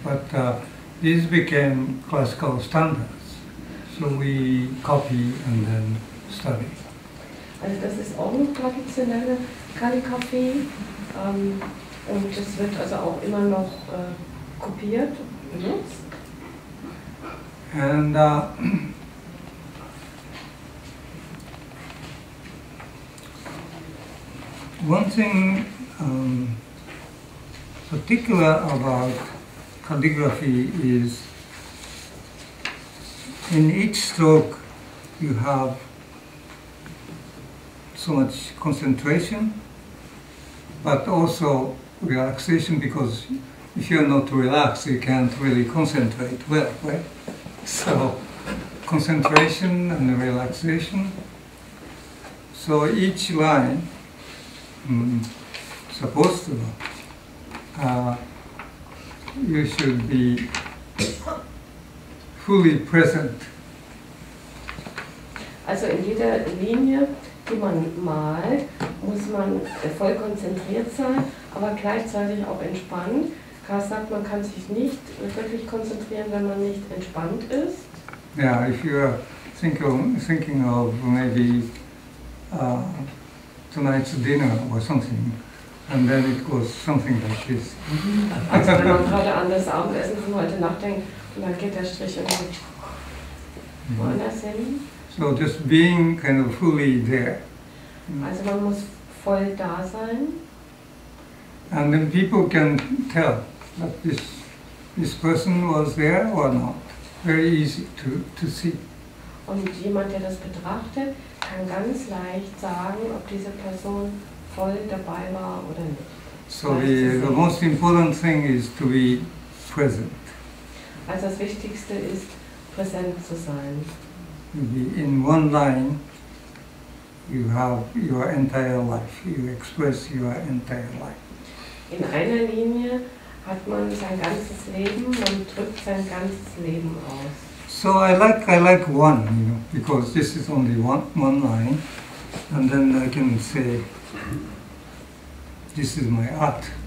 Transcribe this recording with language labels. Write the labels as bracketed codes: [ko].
[en] But these became classical standards. So we copy and then study. Also das ist auch eine traditionelle Kalligraphie und es wird also auch immer noch kopiert, benutzt. And one thing particular about calligraphy is in each stroke you have so much concentration, but also relaxation, because if you're not relaxed, you can't really concentrate well, right? So, concentration and relaxation. So each line, supposed to, you should be fully present [de] Also in jeder Linie, die man malt, muss man voll konzentriert sein, aber gleichzeitig auch entspannt. Karl sagt, man kann sich nicht wirklich konzentrieren, wenn man nicht entspannt ist. [en] Ja, yeah, if you are thinking of maybe tonight's dinner or something, and then it goes something like this. [de] Also wenn man gerade an das Abendessen von heute nachdenkt, dann geht der Strich immer woanders hin. [en] So just being kind of fully there. [de] Also man muss voll da sein. [en] And then people can tell that this person was there or not. Very easy to see. [de] Und jemand, der das betrachtet, kann ganz leicht sagen, ob diese Person voll dabei war oder nicht. [en] So the most important thing is to be present. [de] Also das Wichtigste ist, präsent zu sein. [en] In one line, you have your entire life. You express your entire life. [de] In einer Linie hat man sein ganzes Leben und drückt sein ganzes Leben aus. [en] So I like one, you know, because this is only one line, and then I can say, this is my art.